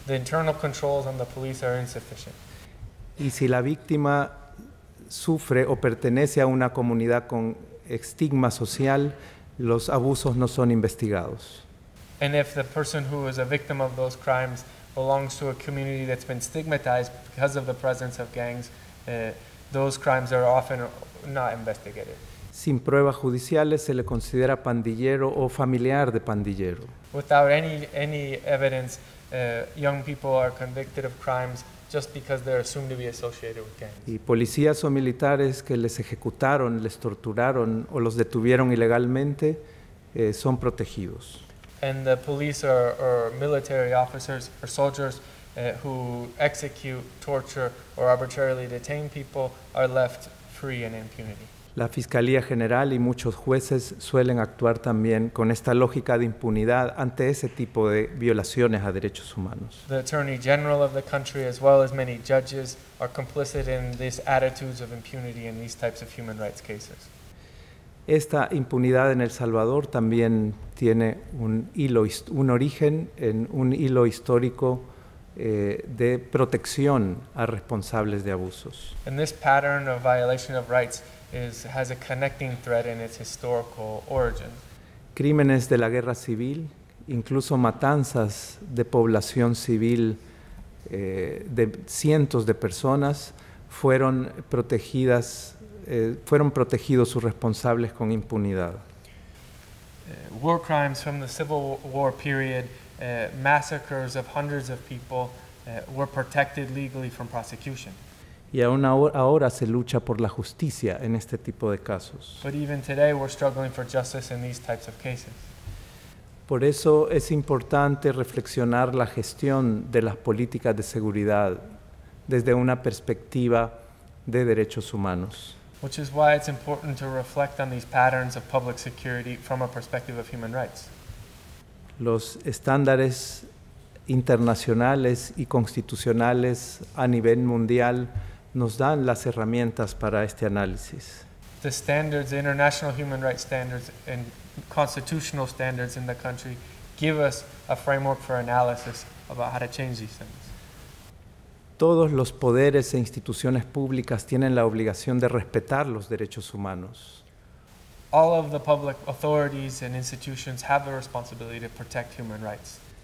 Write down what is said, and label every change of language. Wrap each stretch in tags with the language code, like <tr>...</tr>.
<en>The internal controls on the police are insufficient.</en> <es>Y si la víctima sufre o pertenece a una comunidad con estigma social, los abusos no son investigados.</es> <en>And if the person who is a victim of those crimes belongs to a community that's been stigmatized because of the presence of gangs, those crimes are often not investigated.</en> <es>Sin pruebas judiciales se le considera pandillero o familiar de pandillero.</es> <en>Without any evidence, young people are convicted of crimes just because they're assumed to be associated with gangs.</en> <es>Y policías o militares que les ejecutaron, les torturaron o los detuvieron ilegalmente son protegidos.</es> <en>And the police or military officers or soldiers who execute, torture or arbitrarily detain people are left free and in impunity.</en> <es>La Fiscalía General y muchos jueces suelen actuar también con esta lógica de impunidad ante ese tipo de violaciones a derechos humanos.</es> <en>The Attorney General of the country, as well as many judges, are complicit in these attitudes of impunity in these types of human rights cases.</en> <es>Esta impunidad en El Salvador también tiene un origen en un hilo histórico de protección a responsables de abusos.</es> <en>And this pattern of violation of rights has a connecting thread in its historical origin.</en> <es>Crímenes de la guerra civil, incluso matanzas de población civil de cientos de personas, fueron protegidos sus responsables con impunidad.</es> <en>War crimes from the Civil War period, massacres of hundreds of people, were protected legally from prosecution.</en> <es>Y aún ahora se lucha por la justicia en este tipo de casos.</es> <en>But even today we're struggling for justice in these types of cases.</en> <es>Por eso es importante reflexionar la gestión de las políticas de seguridad desde una perspectiva de derechos humanos.</es> <en>Which is why it's important to reflect on these patterns of public security from a perspective of human rights.</en> <es>Los estándares internacionales y constitucionales a nivel mundial nos dan las herramientas para este análisis.</es> <en>The standards, the international human rights standards and constitutional standards in the country give us a framework for analysis about how to change these things.</en> <es>Todos los poderes e instituciones públicas tienen la obligación de respetar los derechos humanos.</es> <en>all of the public authorities and institutions have the responsibility to protect human rights.</en>